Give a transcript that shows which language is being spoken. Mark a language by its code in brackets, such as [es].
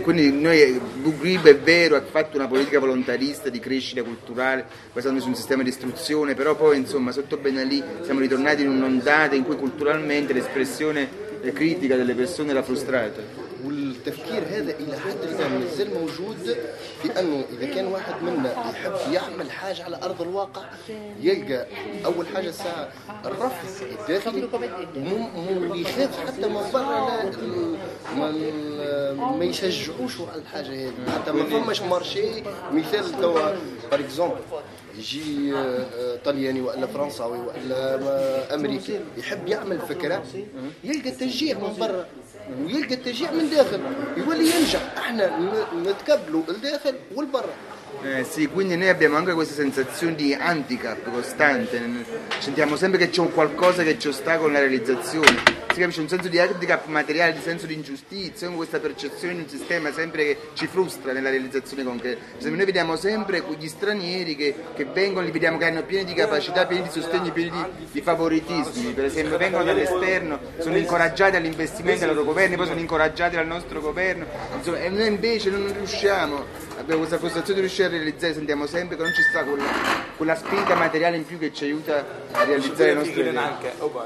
[it] quindi noi Bourguiba è vero ha fatto una politica volontarista di crescita culturale basandosi su un sistema di istruzione però poi insomma sotto Ben Ali siamo ritornati in un'ondata in cui culturalmente l'espressione critica delle persone era frustrata. [ar] والتفكير هذا الى حد الان مازال موجود في انه اذا كان واحد منا يحب يعمل حاجه على ارض الواقع يلقى اول حاجه الساعه الرفض الداخلي ويخاف حتى من برا ما يشجعوش على الحاجه هذه حتى ما فماش مارشي مثال توا باغ اكزومبل يجي طلياني والا فرنساوي والا امريكي يحب يعمل فكره يلقى تشجيع من برا ويلقى التشجيع من داخل يولي ينجح احنا نتكبلوا الداخل والبرا [it] sì, quindi noi abbiamo anche questa sensazione di handicap costante, sentiamo sempre che c'è un qualcosa che ci ostacola la realizzazione, si capisce un senso di handicap materiale, di senso di ingiustizia, questa percezione di un sistema sempre che ci frustra nella realizzazione concreta. Noi vediamo sempre gli stranieri che vengono, li vediamo che hanno pieni di capacità, pieni di sostegni, pieni di favoritismi, per esempio vengono dall'esterno, sono incoraggiati all'investimento dei loro governi, poi sono incoraggiati dal nostro governo, insomma, e noi invece non riusciamo, abbiamo questa frustrazione di riuscire a realizzare, sentiamo sempre che non ci sta quella spinta materiale in più che ci aiuta a realizzare le nostre idee.